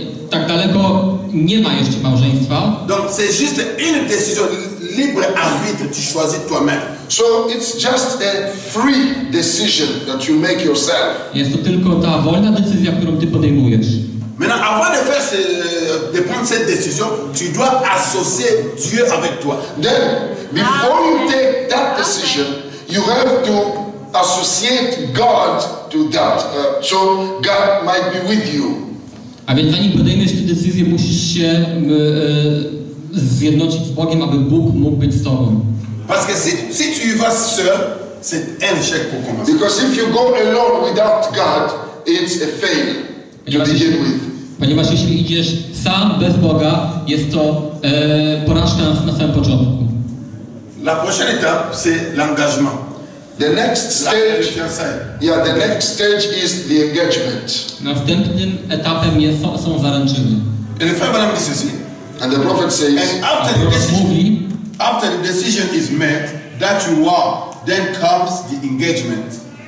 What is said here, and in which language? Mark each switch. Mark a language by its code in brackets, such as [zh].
[pl] Tak daleko nie ma jeszcze małżeństwa. [fr] Donc c'est juste une décision libre arbitre, tu choisis toi-même. [en] So it's just a free decision that you make yourself. [pl] Jest to tylko ta wolna decyzja, którą ty podejmujesz. [fr] Maintenant, avant de faire de prendre cette décision, tu dois associer Dieu avec toi. [en] Then, before you take that decision, you have to associate God to that. So God might be with you. [pl] A więc zanim podejmiesz tę decyzję, musisz się zjednoczyć z Bogiem, aby Bóg mógł być z tobą. [fr] Parce que si tu y vas seul, c'est un échec pour commencer. [en] Because if you go alone without God, it's a fail to begin with. [pl] Ponieważ jeśli idziesz sam bez Boga, jest to porażka na samym początku. [fr] La prochaine étape, c'est l'engagement. [en] The next stage, the next stage is the engagement. [pl] Następnym etapem są zaręczyny. [en] And the Prophet Balaam says, and the Prophet says, and after the decision, after the decision is made that you are, then comes the engagement.